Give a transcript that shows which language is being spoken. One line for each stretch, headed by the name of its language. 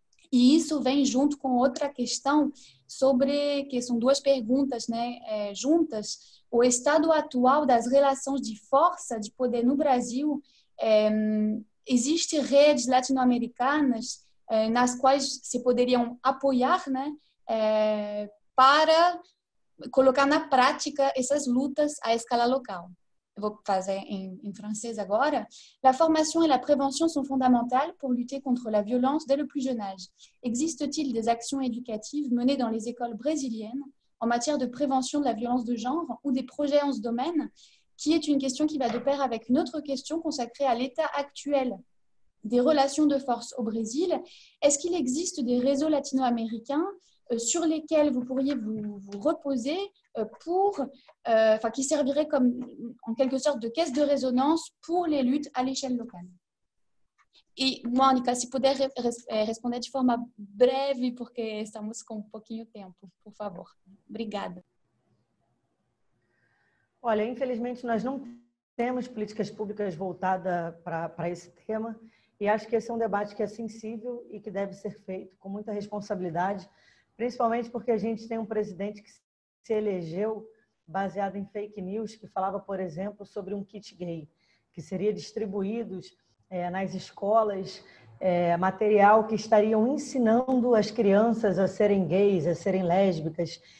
Portuguese: E isso vem junto com outra questão sobre, que são duas perguntas, né, juntas, o estado atual das relações de força, de poder no Brasil, existe redes latino-americanas nas quais se poderiam apoiar, né, para colocar na prática essas lutas à escala local. Eu vou fazer em francês agora.
French: La formation et la prévention sont fondamentales pour lutter contre la violence dès le plus jeune âge. Existe-t-il des actions éducatives menées dans les écoles brésiliennes en matière de prévention de la violence de genre ou des projets en ce domaine, qui est une question qui va de pair avec une autre question consacrée à l'état actuel des relations de force au Brésil. Est-ce qu'il existe des réseaux latino-américains sur lesquels vous pourriez vous reposer pour, enfin, qui serviraient comme, en quelque sorte, de caisse de résonance pour les luttes à l'échelle locale. Et moi, Monica, si vous pouvez répondre de forme brève, pour que nous sommes un peu de temps,
Portuguese: por favor. Obrigada. Olha, infelizmente, nós não temos políticas públicas voltadas para esse tema, e acho que esse é um debate que é sensível e que deve ser feito com muita responsabilidade, principalmente porque a gente tem um presidente que se elegeu baseado em fake news, que falava, por exemplo, sobre um kit gay, que seria distribuído nas escolas material que estariam ensinando as crianças a serem gays, a serem lésbicas.